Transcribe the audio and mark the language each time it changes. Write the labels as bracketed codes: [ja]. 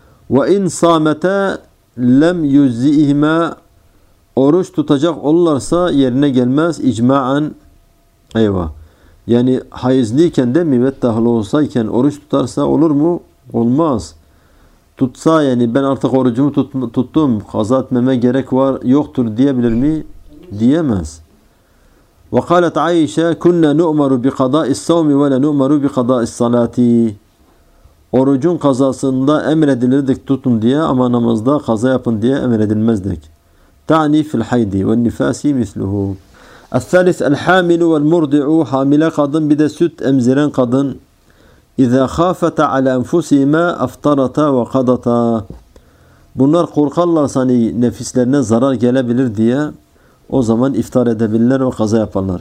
[ar] وإن صامتا لم يجزئهما [tr] oruç tutacak olurlarsa yerine gelmez icmaen. Eyvah. Yani hayızlıyken de mi vettah olsayken oruç tutarsa olur mu? Olmaz. Tutsa yani ben artık orucumu tuttum, kaza etmeme gerek var, yoktur diyebilir mi? Diyemez. [ar] وقالت عائشة كنا نؤمر بقضاء الصوم ولا نؤمر بقضاء الصلاة. [tr] Orucun kazasında emredilirdik tutun diye ama namazda kaza yapın diye emredilmezdik. [ar] تعني في الحيض والنفاس مثله. الثالث الحامل والمرضع [tr] حاملة kadın bir de süt emziren kadın. [ar] اِذَا خَافَتَ عَلَى اَنْفُسِهِمَا اَفْطَرَتَا وَقَدَتَا [tr] bunlar korkarlarsa hani nefislerine zarar gelebilir diye o zaman iftar edebilirler ve kaza yaparlar.